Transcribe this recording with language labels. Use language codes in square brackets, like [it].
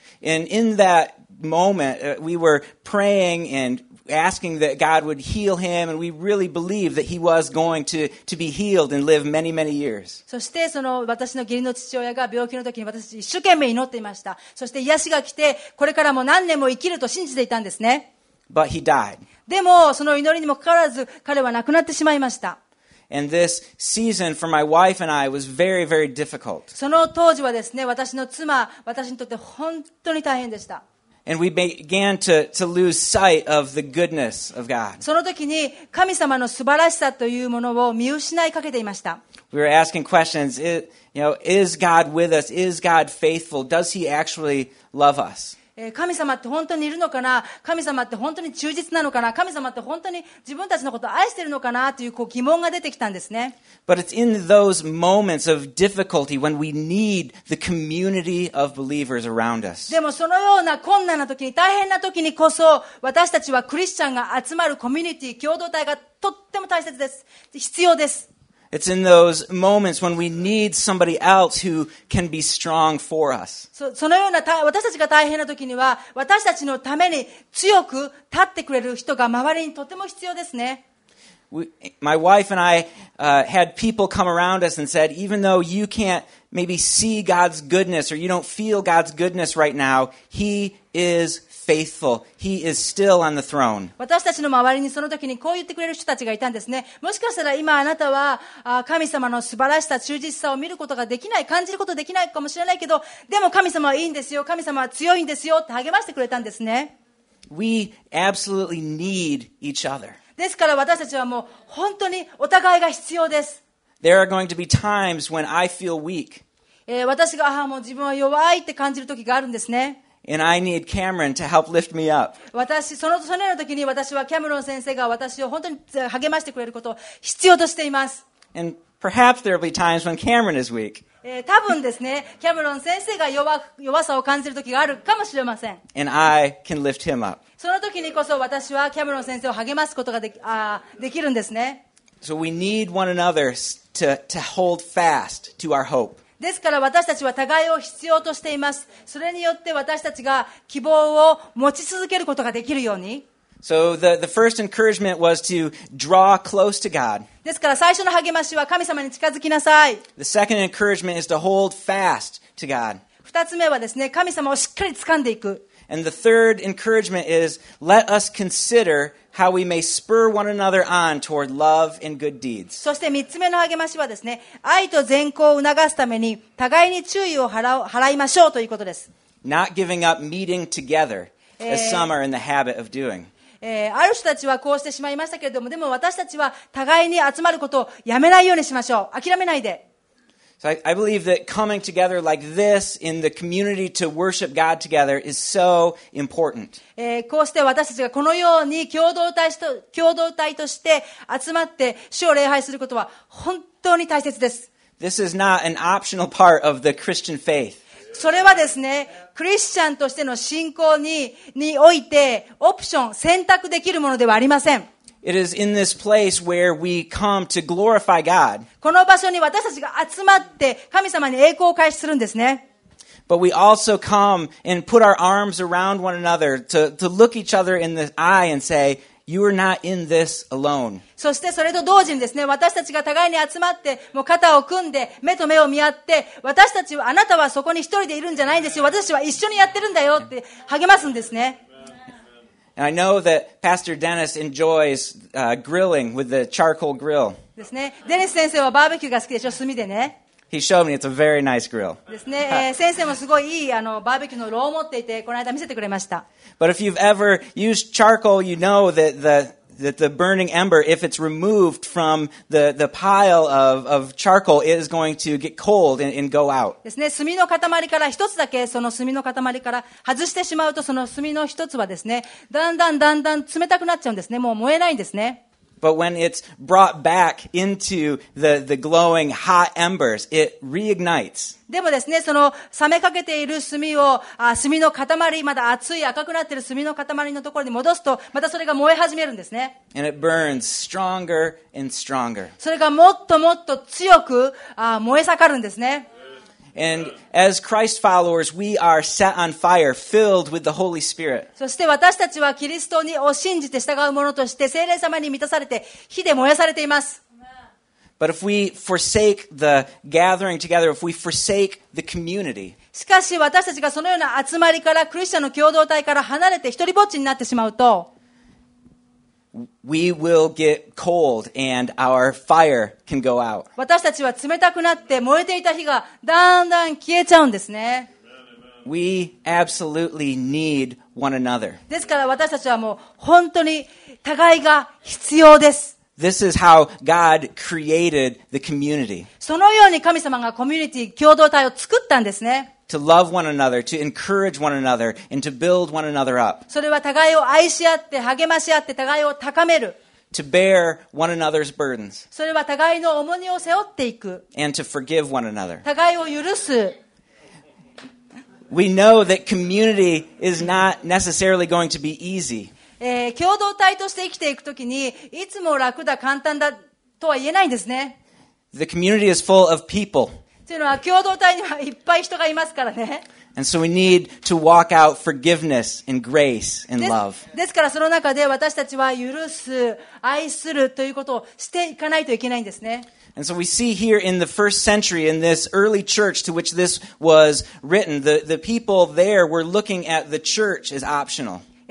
[en] And in that moment, we were praying and asking that God would heal him, and we really believed that he was going to be healed and live many, many years. [ja] そしてその私の義理の父親が病気の時に私一生懸命祈っていました。そして癒しが来て、これからも何年も生きると信じていたんですね。 [en] But he died. [ja] でもその祈りにもかかわらず彼は亡くなってしまいました。 [en] And this season for my wife and I was very, very difficult. [ja] その当時はですね、私の妻、私にとって本当に大変でした。 [en] And we began to lose sight of the goodness of God. [ja] その時に神様の素晴らしさというものを見失いかけていました。 [en] We were asking questions, is God with us? Is God faithful? Does he actually love us? [ja] 神様って本当にいるのかな？神様って本当に忠実なのかな？神様って本当に自分たちのことを愛しているのかな？という、こう疑問が出てきたんですね。 [en] But it's in those moments of difficulty when we need the community of believers around us. [ja] でもそのような困難な時に、大変な時にこそ、私たちはクリスチャンが集まるコミュニティ、共同体がとっても大切です。必要です。 [en] It's in those moments when we need somebody else who can be strong for us. [ja] そのような私たちが大変な時には、私たちのために強く立ってくれる人が周りにとても必要ですね。 [en] my wife and I had people come around us and said, even though you can't maybe see God's goodness or you don't feel God's goodness right now, He is faithful. He is still on the throne. [ja] 私たちの周りにその時にこう言ってくれる人たちがいたんですね。もしかしたら今あなたは神様の素晴らしさ、忠実さを見ることができない、感じることができないかもしれないけど、でも神様はいいんですよ。神様は強いんですよって励ましてくれたんですね。 [en] We absolutely need each other. [ja] ですから私たちはもう本当にお互いが必要です。 [en] There are going to be times when I feel weak. [ja] 私がもう自分は弱いって感じる時があるんですね。 [en] And I need Cameron to help lift me up. [ja] 私そのそのときに私はキャメロン先生が私を本当に励ましてくれることを必要としています。 [en] And perhaps there will be times when Cameron is weak. [ja] 多分ですね、キャメロン先生が弱さを感じるときがあるかもしれません。 [en] And I can lift him up. [ja] そのときにこそ私はキャメロン先生を励ますことができるんですね。 [en] So we need one another to hold fast to our hope. [ja] ですから私たちは互いを必要としています。それによって私たちが希望を持ち続けることができるように。 [en] So the first encouragement was to draw close to God. [ja] ですから最初の励ましは神様に近づきなさい。 [en] The second encouragement is to hold fast to God. [ja] 二つ目はですね、神様をしっかり掴んでいく。 [en] And the third encouragement is, let us consider how we may spur one another on toward love and good deeds. [ja] そして三つ目の励ましはですね、愛と善行を促すために互いに注意を払いましょうということです。 [en] Not giving up meeting together, as some are in the habit of doing. [ja] ある人たちはこうしてしまいましたけれども、でも私たちは互いに集まることをやめないようにしましょう。諦めないで。 [en] So I believe that coming together like this in the community to worship God together is so important. [ja] こうして私たちがこのように共同体として集まって主を礼拝することは本当に大切です。 [en] This is not an optional part of the Christian faith. [ja] それはですね、クリスチャンとしての信仰においてオプション、選択できるものではありません。 [en] It is in this place where we come to glorify God. [ja] この場所に私たちが集まって神様に栄光を返しするんですね。 [en] But we also come and put our arms around one another to look each other in the eye and say, "You are not in this alone." [ja] そしてそれと同時にですね、私たちが互いに集まってもう肩を組んで目と目を見合って、私たちはあなたはそこに一人でいるんじゃないんですよ。私たちは一緒にやってるんだよって励ますんですね。 [en] And I know that Pastor Dennis enjoys grilling with the charcoal grill. [ja] ですね。デニス先生はバーベキューが好きでしょ、炭でね。 [en] He showed me it's a very nice grill. [ja] ですね。先生もすごいいいバーベキューの炉を持っていて、この間見せてくれました。 [en] But if you've ever used charcoal, you know that the burning ember, if it's removed from the pile of charcoal, it is going to get cold and go out. [ja] ですね、炭の塊から一つだけその炭の塊から外してしまうと、その炭の一つはですね、だんだんだんだん冷たくなっちゃうんですね。もう燃えないんですね。 [en] But when it's brought back into the glowing hot embers, it reignites. [ja] でもですね、その冷めかけている炭を、炭の塊、まだ熱い赤くなっている炭の塊のところに戻すと、またそれが燃え始めるんですね。 [en] And it burns stronger and stronger. [ja] それがもっともっと強く、燃え盛るんですね。 [en] And as Christ followers, we are set on fire, filled with the Holy Spirit. [ja] そして私たちはキリストにを信じて従う者として聖霊様に満たされて火で燃やされています。 [en] But if we forsake the gathering together, if we forsake the community, [ja] しかし私たちがそのような集まりからクリスチャンの共同体から離れて一人ぼっちになってしまうと、 [en] We will get cold and our fire can go out. [ja] 私たちは冷たくなって燃えていた火がだんだん消えちゃうんですね。 [en] We absolutely need one another. [ja] ですから私たちはもう本当に互いが必要です。 [en] This is how God created the community. [ja] そのように神様がコミュニティ、共同体を作ったんですね。 [en] To love one another, to encourage one another, and to build one another up. [ja] それは互いを愛し合って、励まし合って、互いを高める。 [en] To bear one another's burdens. [ja] それは互いの重荷を背負っていく。 [en] And to forgive one another. [ja] 互いを許す。 [en] We know that community is not necessarily going to be easy. [ja] 共同体として生きていくときに、いつも楽だ、簡単だとは言えないんですね。 [en] The community is full of people. [ja] というのは共同体にはいっぱい人がいますからね。 [en] And so we need to walk out forgiveness and grace and love. [ja] ですからその中で私たちは許す、愛するということをしていかないといけないんですね。 [en] And so we see here in the first century, in this early church to which this was written, the people there were looking at the church as optional.